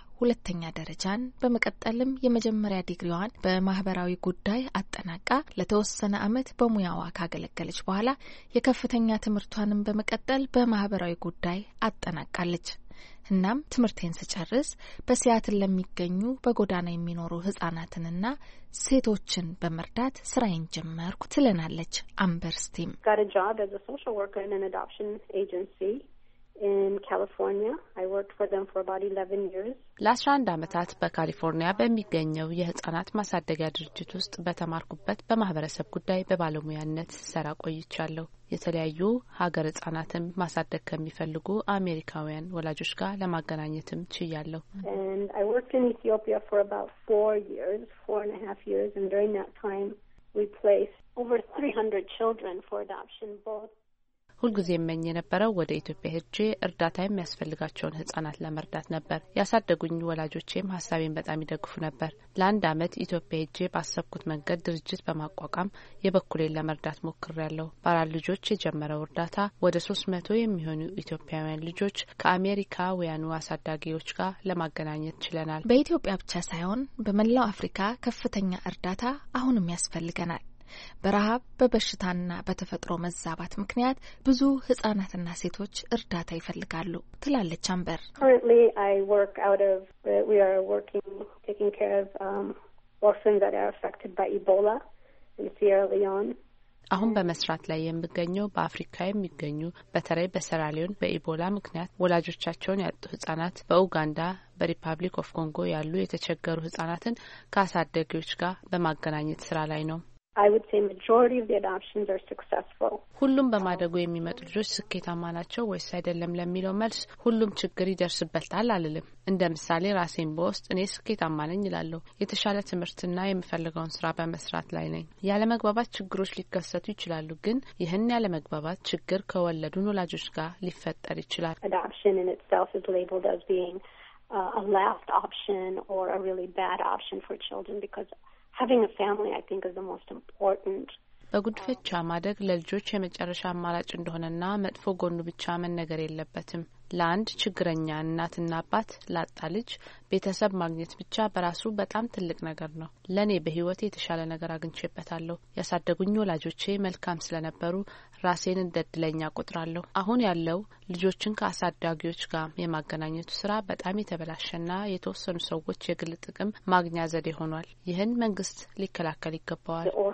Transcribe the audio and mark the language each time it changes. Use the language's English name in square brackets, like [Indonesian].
[Amharic] ሁለተኛ ደረጃን በመቀጠልም የመጀመሪያ ዲግሪዋን በማህበራዊ ጉዳይ አጠናቃ ለተወሰነ ዓመት በሙያዋ ካገለገለች በኋላ የከፍተኛ ትምህርቷንም በመቀጠል በማህበራዊ ጉዳይ አጠናቃለች። እናም ትምህርቴን ስጨርስ በሲያትል ለሚገኙ በጎዳና የሚኖሩ ህጻናትንና ሴቶችን በመርዳት ስራዬን ጀመርኩ ትለናለች አምበር ስቲም። [English] Got a job as a social worker in an adoption agency in California. I worked for them for about 11 years. [Amharic] ለ11 ዓመታት በካሊፎርኒያ በሚገኘው የህጻናት ማሳደጊያ ድርጅት ውስጥ በተማርኩበት በማህበረሰብ ጉዳይ በባለሙያነት ሰራ ቆይቻለሁ። የተለያዩ ሀገር ህጻናትን ማሳደግ ከሚፈልጉ አሜሪካውያን ወላጆች ጋር ለማገናኘትም ችያለሁ። [English] And I worked in Ethiopia for about 4 years, 4 and a half years, and during that time we placed over 300 children for adoption both. [Amharic] ሁልጊዜ የመኝ የነበረው ወደ ኢትዮጵያ ሄጄ እርዳታ የሚያስፈልጋቸውን ህጻናት ለመርዳት ነበር። ያሳደጉኝ ወላጆቼም ሀሳቤን በጣም ይደግፉ ነበር። ለአንድ አመት ኢትዮጵያ ሄጄ ባሰብኩት መንገድ ድርጅት በማቋቋም የበኩሌን ለመርዳት ሞክሬያለሁ። በአራት ልጆች የጀመረው እርዳታ ወደ 300 የሚሆኑ ኢትዮጵያውያን ልጆች ከአሜሪካውያኑ አሳዳጊዎች ጋር ለማገናኘት ችለናል። በኢትዮጵያ ብቻ ሳይሆን በመላው አፍሪካ ከፍተኛ እርዳታ አሁንም ያስፈልገናል። በረሃብ፣ በበሽታና በተፈጥሮ መዛባት ምክንያት ብዙ ህጻናትና ሴቶች እርዳታ ይፈልጋሉ ትላለች አምበር። [English] Currently I work out of we are working taking care of orphans that are affected by Ebola in Sierra Leone. [Amharic] አሁን በመስራት ላይ የምገኘው በአፍሪካ የሚገኙ በተለይ በሴራ ሊዮን በኢቦላ ምክንያት ወላጆቻቸውን ያጡ ህጻናት፣ በኡጋንዳ በሪፐብሊክ ኦፍ ኮንጎ ያሉ የተቸገሩ ህጻናትን ከአሳደጊዎች ጋር በማገናኘት ስራ ላይ ነው። [English] I would say majority of the adoptions are successful. [Amharic] ሁሉም በማደጎ የሚመጡ ልጆች ስኬታማ ናቸው ወይስ አይደለም ለሚለው መልስ ሁሉም ችግር ይደርስበታል አላልም። እንደ ምሳሌ ራሴን በውስጥ እኔ ስኬታማ ነኝ እላለሁ። የተሻለ ትምህርትና የምፈልገውን ስራ በመስራት ላይ ነኝ። ያለመግባባት ችግሮች ሊከሰቱ ይችላሉ፣ ግን ይህን ያለመግባባት ችግር ከወለዱን ወላጆች ጋር ሊፈጠር ይችላል። [English] Adoption in itself is labeled as being a last option or a really bad option for children because having a family I think is the most important. [Amharic] በጉድፈቻ ማደግ ለልጆች የመጨረሻ አማራጭ እንደሆነና መጥፎ ጎኑ ብቻ መነገር የለበትም። ላንድ ችግረኛ እናትና አባት ላጣ ልጅ ቤተሰብ ማግኘት ብቻ በራሱ በጣም ትልቅ ነገር ነው። ለኔ በህይወቴ የተሻለ ነገር አግኝቼበታለሁ። ያሳደጉኝ ወላጆቼ መልካም ስለነበሩ ራሴን እንደድለኛ ቆጥራለሁ። አሁን ያለው ልጆችን ከአሳዳጊዎች ጋር የማገናኘቱ ስራ በጣም የተበላሸና የተወሰኑ ሰዎች የግል ጥቅም ማግኛ ዘዴ ሆኗል። ይህን መንግስት ሊከላከል ይገባዋል።